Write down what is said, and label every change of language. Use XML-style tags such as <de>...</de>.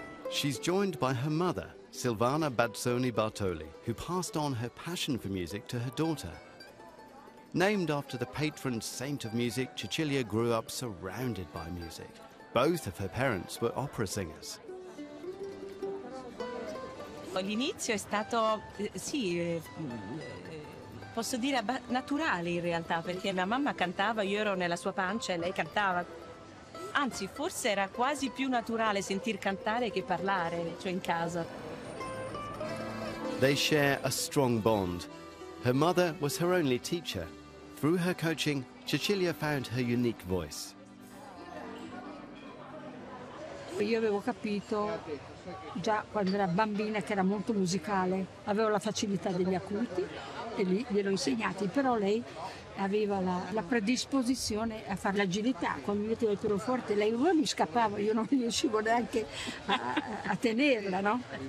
<en>She's joined by her mother, Silvana Bazzoni Bartoli, who passed on her passion for music to her daughter. Named after the patron saint of music, Cecilia grew up surrounded by music. Both of her parents were opera singers.</en> <it>L'inizio è stato, sì, posso dire naturale in realtà, perché mia mamma cantava, io ero nella sua pancia e lei cantava. Anzi, forse era quasi più naturale sentir cantare che parlare, cioè in casa.</it> <en>They share a strong bond. Her mother was her only teacher. Through her coaching, Cecilia found her unique voice.</en> <it>Io avevo capito già quando era bambina che era molto musicale. Avevo la facilità degli acuti e lì gliel'ho insegnati, però lei aveva la predisposizione a fare l'agilità. Quando mettevo il pianoforte, lei mi scappava, io non riuscivo neanche a tenerla, no?</it>